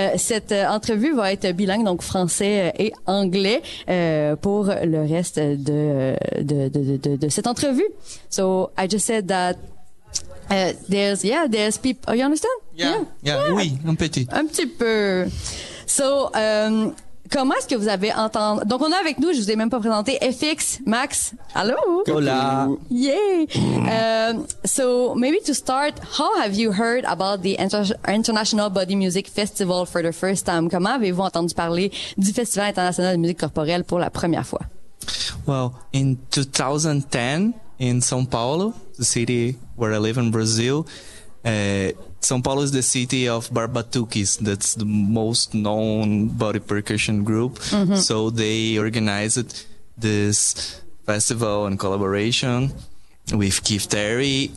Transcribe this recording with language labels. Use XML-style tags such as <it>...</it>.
<fr>Cette entrevue va être bilingue, donc français et anglais, pour le reste de cette entrevue.</fr> <en>So I just said that there's people. Oh, you understand?</en> <fr>Yeah. Oui, un petit. Un petit peu. So comment est-ce que vous avez entendu? Donc on a avec nous, je vous ai même pas présenté, FX, Max. Allô?</fr> <es>Hola. Yay.</es> <en>So maybe to start, how have you heard about the International Body Music Festival for the first time?</en> <fr>Comment avez-vous entendu parler du Festival international de musique corporelle pour la première fois?</fr> <en>Well, in 2010 in São Paulo, the city where I live in Brazil, São Paulo is the city of Barbatuques. That's the most known body percussion group. Mm-hmm. So they organized this festival in collaboration with Keith Terry.</en>